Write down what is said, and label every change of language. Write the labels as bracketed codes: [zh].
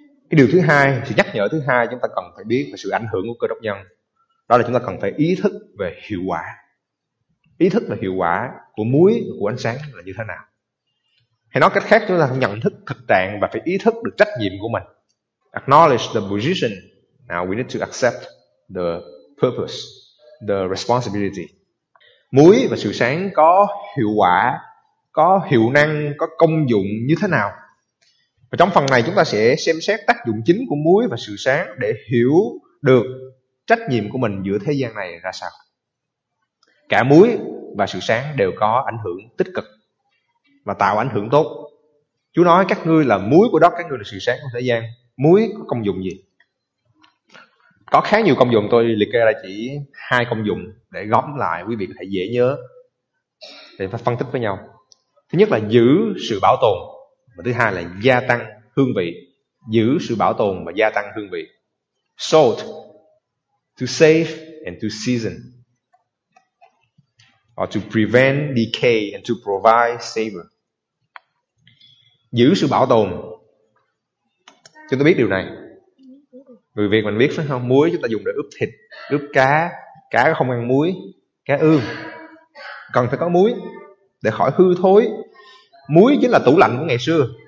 [vi] Cái điều thứ hai, sự nhắc nhở thứ hai chúng ta cần phải biết về sự ảnh hưởng của Cơ Đốc nhân, đó là chúng ta cần phải ý thức về hiệu quả. Ý thức về hiệu quả của muối, của ánh sáng là như thế nào? Hay nói cách khác, chúng ta phải nhận thức thực trạng và phải ý thức được trách nhiệm của mình. [en] Acknowledge the position. Now we need to accept the purpose, the responsibility. [vi] Muối và sự sáng có hiệu quả, có hiệu năng, có công dụng như thế nào? Và trong phần này chúng ta sẽ xem xét tác dụng chính của muối và sự sáng để hiểu được trách nhiệm của mình giữa thế gian này ra sao. Cả muối và sự sáng đều có ảnh hưởng tích cực và tạo ảnh hưởng tốt. Chúa nói các ngươi là muối của đất, các ngươi là sự sáng của thế gian. Muối có công dụng gì? Có khá nhiều công dụng, tôi liệt kê ra chỉ hai công dụng để gõm lại, quý vị có thể dễ nhớ để phân tích với nhau. Thứ nhất là giữ sự bảo tồn, và thứ hai là gia tăng hương vị. Giữ sự bảo tồn và gia tăng hương vị. [en] Salt, to save and to season, or to prevent decay and to provide savor. [vi] Giữ sự bảo tồn, chúng ta biết điều này. Người Việt mình biết phải không? Muối chúng ta dùng để ướp thịt, ướp cá. Cá không ăn muối, cá ươm. Cần phải có muối để khỏi hư thối. Muối chính là tủ lạnh của ngày xưa.